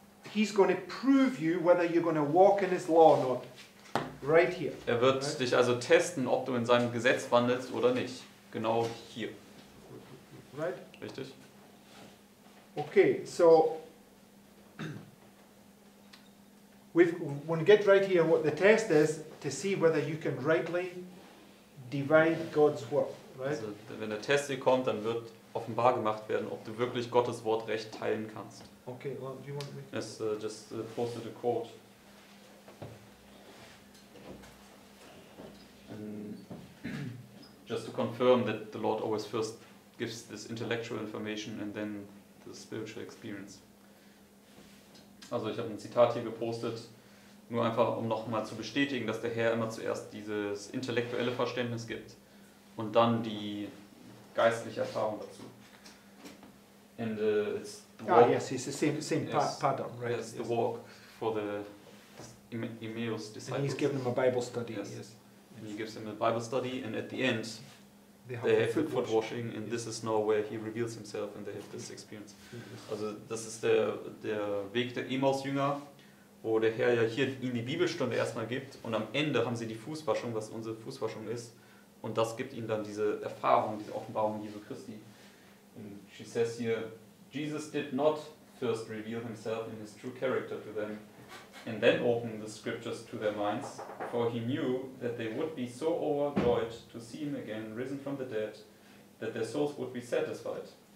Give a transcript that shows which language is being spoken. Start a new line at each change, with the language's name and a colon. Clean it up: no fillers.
English: He's going to prove you whether you're going to walk in his law or not. Right here.
German: Er wird
English: right?
German: dich also testen, ob du in seinem Gesetz wandelst oder nicht. Genau hier.
English: Right?
German: Richtig.
English: Okay, so we'll get right here what the test is to see whether you can rightly divide God's word, right?
German: Also, wenn der Test hier kommt, dann wird offenbar gemacht werden, ob du wirklich Gottes Wort recht teilen kannst.
English: Okay, well, do you want me to... Yes, just posted a quote. Just to confirm that the Lord always first gives this intellectual information and then the spiritual experience.
German: Also ich habe ein Zitat hier gepostet, nur einfach um nochmal zu bestätigen, dass der Herr immer zuerst dieses intellektuelle Verständnis gibt und dann die geistliche Erfahrung dazu.
English: And it's the walk. Ah, yes, it's the same pattern, right? It's the walk for the Emmaus disciples. And he's given them a Bible study, yes. And he gives him a Bible study, and at the end, they have the foot washing, and this is now where he reveals himself, and they have this experience.
German: Also das ist der Weg der Emmaus-Jünger, wo der Herr ja hier ihnen die Bibelstunde erstmal gibt, und am Ende haben sie die Fußwaschung, was unsere Fußwaschung ist, und das gibt ihnen dann diese Erfahrung, diese Offenbarung Jesu Christi.
English: And she says here, Jesus did not first reveal himself in his true character to them and then open the scriptures to their minds, for he knew that they would be so overjoyed to see him again risen from the dead, that their souls would be satisfied.